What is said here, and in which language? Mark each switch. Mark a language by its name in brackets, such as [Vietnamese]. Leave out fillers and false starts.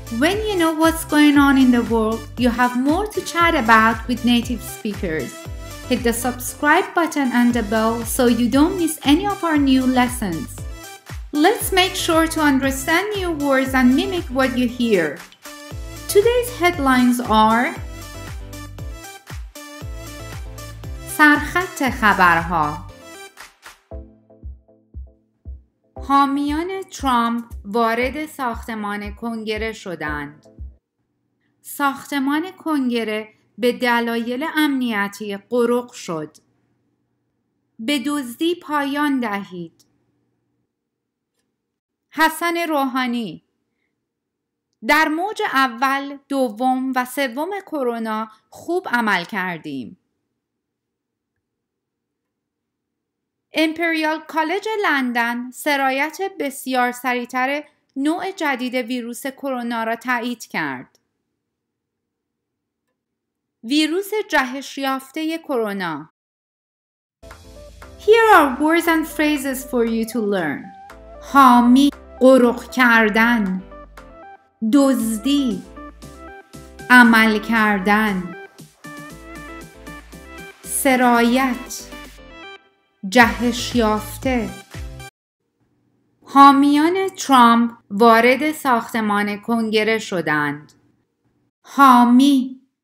[English] When you know what's going on in the world, you have more to chat about with native speakers. Hit the subscribe button and the bell so you don't miss any of our new lessons. Let's make sure to understand new words and mimic what you hear. Today's headlines are [Persian] سرخط خبرها حامیان ترامپ وارد ساختمان کنگره شدند. ساختمان کنگره به دلایل امنیتی غرق شد. به دزدی پایان دهید. حسن روحانی در موج اول، دوم و سوم کرونا خوب عمل کردیم. امپریال کالج لندن سرایت بسیار سریع‌تر نوع جدید ویروس کرونا را تایید کرد. ویروس جهش یافته کرونا. [English] Here are words and phrases for you to learn. [Persian] حامی قرق کردن دزدی عمل کردن سرایت جهش یافته حامیان ترامپ وارد ساختمان کنگره شدند حامی